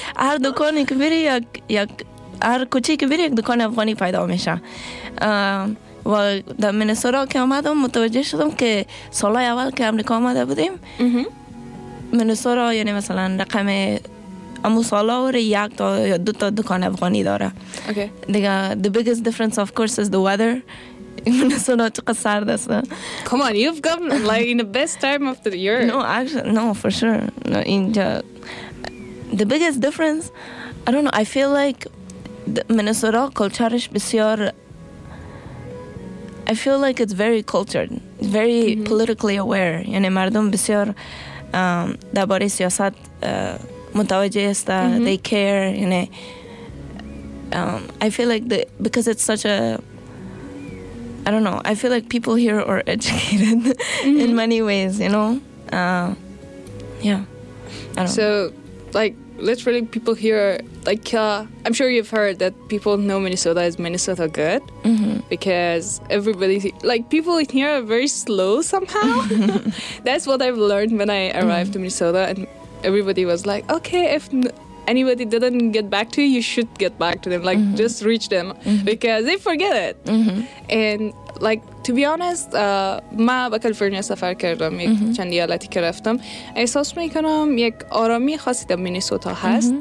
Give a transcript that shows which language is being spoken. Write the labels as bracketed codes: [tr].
[fa] هر دکانی که بری یک هر کوچه‌ای که بری یک دکان افغانی پیدا میشه. و در مینیسوتا که آمدم متوجه شدم که سال اول که امریکا آمده بودیم مینیسوتا یعنی مثلا رقم امو سالا وره یک تا یا دو تا دکان افغانی داره. دیگه [en] the biggest difference of course is the weather. [fa] مینیسوتا چقدر سرد است. [en] Come on, you've come like in the best time of the year. No, actually, no, for sure. No, in the biggest difference, I don't know, I feel like [fa] مینیسوتا کلچرش بسیار [en] I feel like it's very cultured, very politically aware. [fa] یعنی مردم بسیار درباره سیاست متوجه است. [en] They care, you know. I feel like because it's such a, I don't know. I feel like people here are educated in many ways, you know. So, like literally, people here, like I'm sure you've heard that people know Minnesota as Minnesota good because everybody, like people in here, are very slow somehow. That's what I've learned when I arrived to Minnesota, and everybody was like, okay, if anybody didn't get back to you, you should get back to them, like just reach them because they forget it. And like to be honest, [fa] ما به کالیفرنیا سفر کردم یک چند ایالتی که رفتم احساس میکنم یک آرامی خاصی در مینیسوتا هست.